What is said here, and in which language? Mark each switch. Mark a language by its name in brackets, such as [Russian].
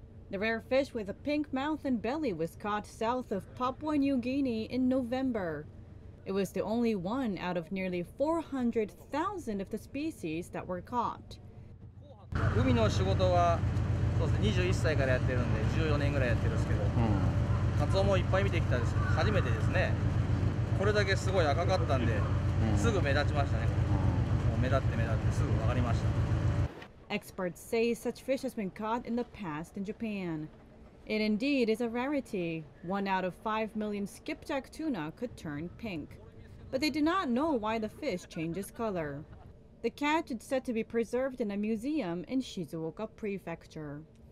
[English] The rare fish with a pink mouth and belly was caught south of Papua New Guinea in November. It was the only one out of nearly 400,000 of the species that were caught. I've been doing the work of the sea since 21 years old, so I've been doing it for 14 years. I've seen a lot of fish, so it's the first time. [Japanese] これだけすごい赤かったんで、すぐ目立ちましたね。もう目立って目立ってすぐ分かりました。 [English] Experts say such fish has been caught in the past in Japan. It indeed is a rarity. One out of 5 million skipjack tuna could turn pink. But they do not know why the fish changes color. The catch is said to be preserved in a museum in Shizuoka Prefecture.